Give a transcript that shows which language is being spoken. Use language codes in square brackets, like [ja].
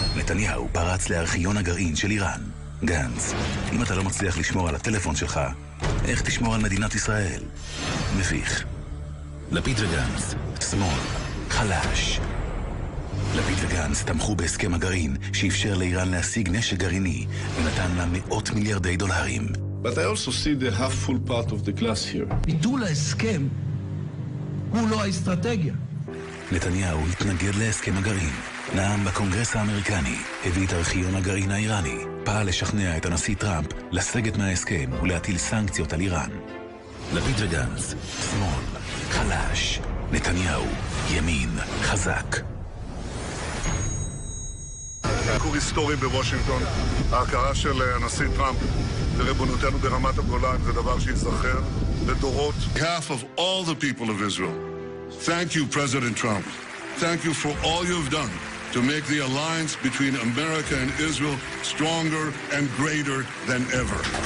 [he] נתניהו פרץ לארכיון הגרעין של איראן. גנץ, אם אתה לא מצליח לשמור על הטלפון שלך, איך תשמור על מדינת ישראל? מביך. לפיד וגנץ, שמאל, חלש. לפיד וגנץ תמכו בהסכם הגרעין שאפשר לאיראן להשיג נשק גרעיני ונתן לה מאות מיליארדי דולרים. [en] But I also see the half full part of the glass here. [he] ביטול ההסכם הוא לא האסטרטגיה. נתניהו התנגד להסכם הגרעין. נעם בקונגרס האמריקני, הביא את ארכיון הגרעין האיראני, פעל לשכנע את הנשיא טראמפ לסגת מההסכם ולהטיל סנקציות על איראן. לפיד וגנץ, שמאל, חלש. נתניהו, ימין, חזק. ביקור היסטורי בוושינגטון, ההכרה של הנשיא טראמפ לריבונותנו ברמת הגולן זה דבר שיזכר לדורות. [en] Half of all the people of Israel, thank you, President Trump. Thank you for all you've done to make the alliance between America and Israel stronger and greater than ever.